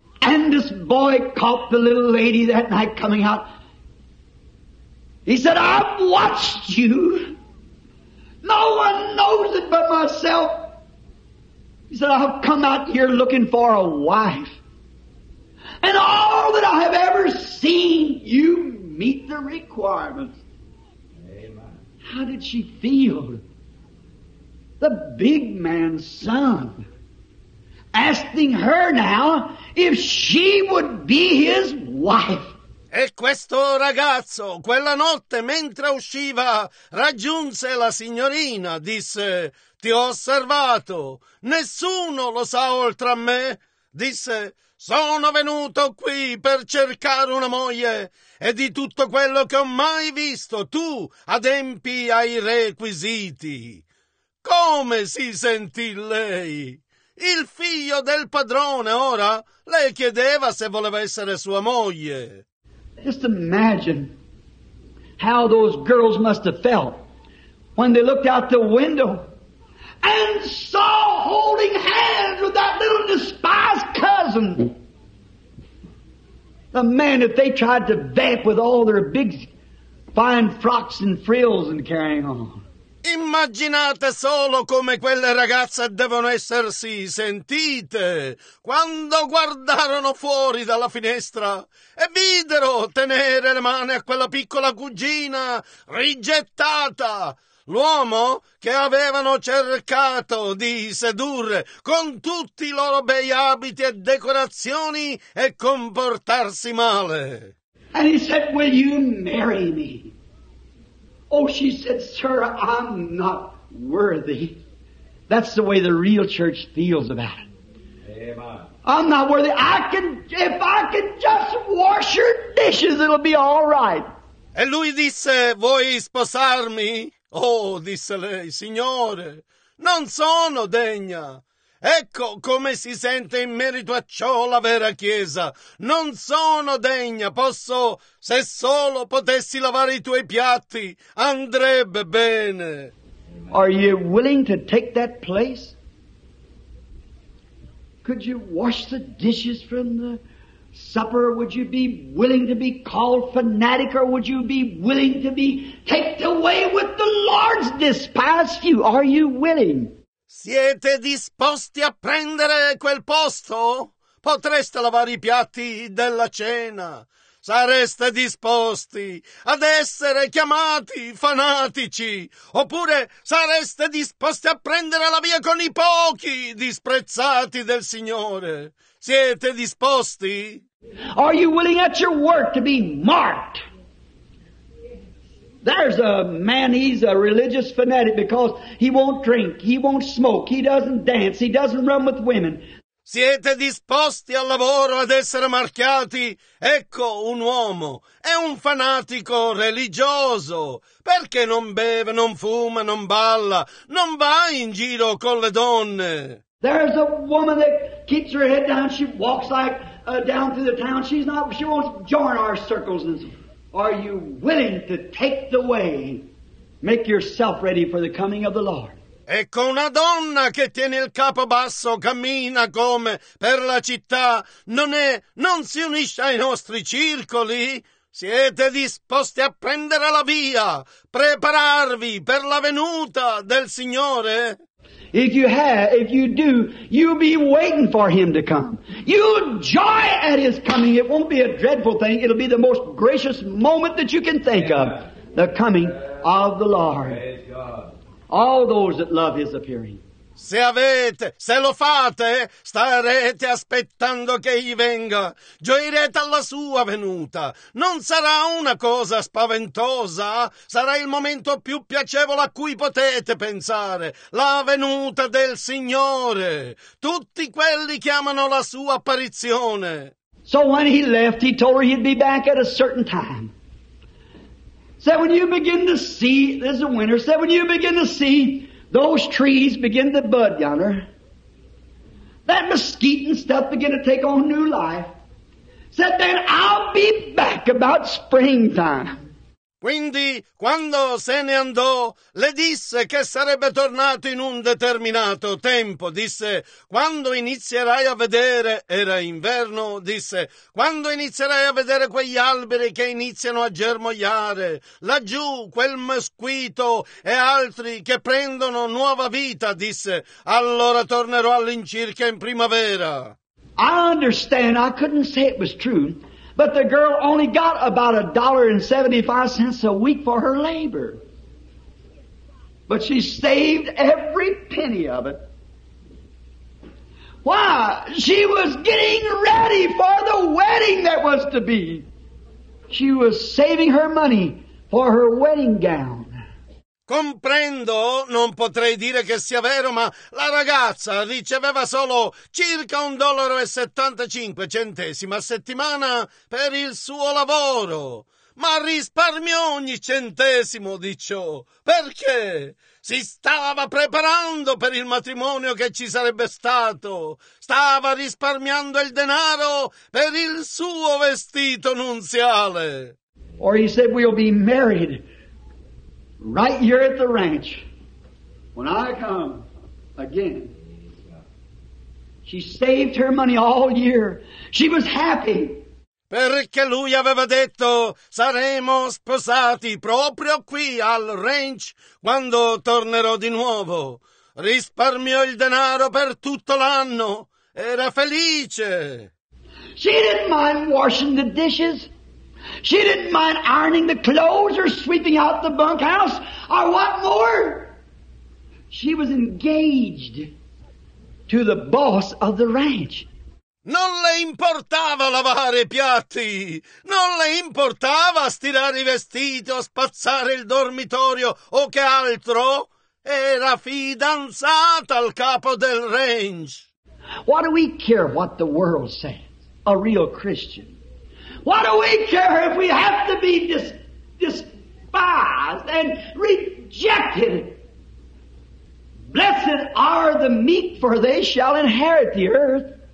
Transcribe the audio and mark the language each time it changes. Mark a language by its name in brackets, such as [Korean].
[English] And this boy caught the little lady that night coming out. He said, I've watched you. No one knows it but myself. He said, I've come out here looking for a wife. And all that I have ever seen, you meet the requirements. Amen. How did she feel? the big man's son, asking her now if she would be his wife. [Italian] E questo ragazzo, quella notte mentre usciva, raggiunse la signorina, disse: ti ho osservato, nessuno lo sa oltre a me. Disse: sono venuto qui per cercare una moglie, e di tutto quello che ho mai visto, tu adempi ai requisiti. Come si sentì lei? Il figlio del padrone, ora, lei chiedeva se voleva essere sua moglie. [English] Just imagine how those girls must have felt when they looked out the window and saw holding hands with that little despised cousin. The man that they tried to vamp with all their big fine frocks and frills and carrying on. [Italian] Immaginate solo come quelle ragazze devono essersi sentite quando guardarono fuori dalla finestra e videro tenere le mani a quella piccola cugina rigettata, l'uomo che avevano cercato di sedurre con tutti i loro bei abiti e decorazioni e comportarsi male. [English] And he said, will you marry me? Oh, she said, sir, I'm not worthy. That's the way the real church feels about it. Amen. I'm not worthy. If I can just wash your dishes, it'll be all right. [Italian] E lui disse, vuoi sposarmi? Oh, disse lei, signore, non sono degna. Ecco come si sente in merito a ciò la vera Chiesa. Non sono degna, posso, se solo potessi lavare i tuoi piatti, andrebbe bene. [English] Are you willing to take that place? Could you wash the dishes from the supper? Would you be willing to be called fanatic? Or would you be willing to be taken away with the Lord's despised you? Are you willing? [Italian] Siete disposti a prendere quel posto? Potreste lavare i piatti della cena. Sareste disposti ad essere chiamati fanatici? Oppure sareste disposti a prendere la via con i pochi disprezzati del Signore? Siete disposti? [English] Are you willing at your work to be marked? There's a man, he's a religious fanatic because he won't drink, he won't smoke, he doesn't dance, he doesn't run with women. [Italian] Siete disposti al lavoro ad essere marchiati? Ecco un uomo, è un fanatico religioso. Perché non beve, non fuma, non balla, non va in giro con le donne? [English] There's a woman that keeps her head down, she walks like down through the town, she won't join our circles and so. Are you willing to take the way? Make yourself ready for the coming of the Lord. [Italian] Ecco una donna che tiene il capo basso, cammina come per la città. Non si unisce ai nostri circoli? Siete disposti a prendere la via, prepararvi per la venuta del Signore? [English] If you do, you'll be waiting for him to come. You'll joy at his coming. It won't be a dreadful thing. It'll be the most gracious moment that you can think of. The coming of the Lord. Praise God. All those that love his appearing. [Italian] Se avete, se lo fate, starete aspettando che egli venga. Gioirete alla sua venuta. Non sarà una cosa spaventosa. Sarà il momento più piacevole a cui potete pensare. La venuta del Signore. Tutti quelli che amano la sua apparizione. [English] So when he left, he told her he'd be back at a certain time. Said, when you begin to see, this is a winter, said, when you begin to see those trees begin to bud yonder. That mesquite and stuff begin to take on new life. Said, then I'll be back about springtime. [Italian] Quindi, quando se ne andò, le disse che sarebbe tornato in un determinato tempo. Disse, quando inizierai a vedere, era inverno, disse, quando inizierai a vedere quegli alberi che iniziano a germogliare, laggiù quel mesquito e altri che prendono nuova vita, disse, allora tornerò all'incirca in primavera. [English] I understand, I couldn't say it was true. But the girl only got about $1.75 a week for her labor. But she saved every penny of it. Why? She was getting ready for the wedding that was to be. She was saving her money for her wedding gown. [Italian] Comprendo, non potrei dire che sia vero, ma la ragazza riceveva solo circa $1.75 a settimana per il suo lavoro. Ma risparmiò ogni centesimo di ciò. Perché? Si stava preparando per il matrimonio che ci sarebbe stato. Stava risparmiando il denaro per il suo vestito nuziale. [English] Or he said, we'll be married right here at the ranch when I come again. She saved her money all year. She was happy. [Italian] Perché lui aveva detto, saremo sposati proprio qui al ranch quando tornerò di nuovo. Risparmiò il denaro per tutto l'anno. Era felice. [English] She didn't mind washing the dishes. She didn't mind ironing the clothes or sweeping out the bunkhouse or what more. She was engaged to the boss of the ranch. [Italian] Non le importava lavare i piatti, non le importava stirare i vestiti o spazzare il dormitorio o che altro. Era fidanzata al capo del ranch. [English] What do we care what the world says? A real Christian. What do we care if we have to be despised and rejected? Blessed are the meek, for they shall inherit the earth.